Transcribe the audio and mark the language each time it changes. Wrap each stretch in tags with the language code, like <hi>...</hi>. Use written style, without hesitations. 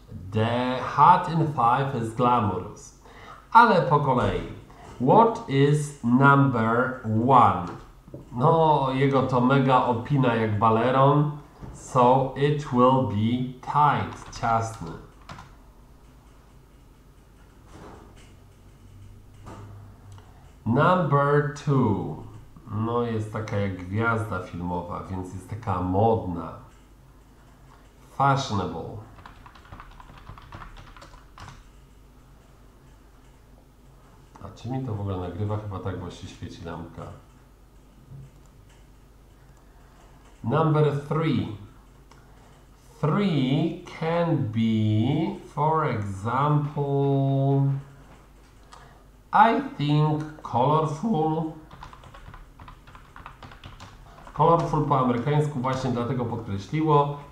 <en>The hat in five is glamorous.</en> <pl>Ale po kolei.</pl> <en>What is number one?</en> <pl>No, jego to mega opina jak baleron.</pl> <en>So it will be tight,</en> <pl>ciasny.</pl> <en>Number two.</en> <pl>No, jest taka jak gwiazda filmowa, więc jest taka modna.</pl> <en>Fashionable.</en> <pl>A czy mi to w ogóle nagrywa? Chyba tak właśnie świeci lampka.</pl> <en>Number three. Three can be, for example, I think colorful.</en> <pl>Colorful po amerykańsku właśnie dlatego podkreśliło.</pl>